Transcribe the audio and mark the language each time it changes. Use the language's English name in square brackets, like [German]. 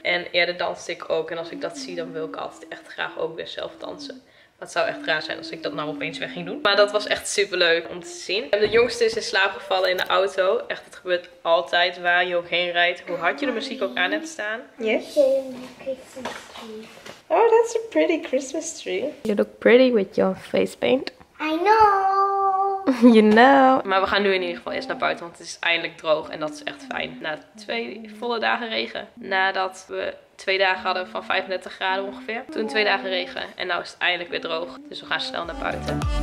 [Dutch] En eerder danste ik ook en als ik dat zie dan wil ik altijd echt graag ook weer zelf dansen. Maar het zou echt raar zijn als ik dat nou opeens weg ging doen. Maar dat was echt super leuk om te zien. De jongste is in slaap gevallen in de auto. Echt, dat gebeurt altijd waar je ook heen rijdt. Hoe hard je de muziek ook aan hebt staan. [English] Yes? Oh, that's a pretty Christmas tree. You look pretty with your face paint. I know. You know. [Dutch] Maar we gaan nu in ieder geval eerst naar buiten, want het is eindelijk droog. En dat is echt fijn. Na 2 volle dagen regen. Nadat we 2 dagen hadden van 35 graden ongeveer. Toen 2 dagen regen en nu is het eindelijk weer droog. Dus we gaan snel naar buiten.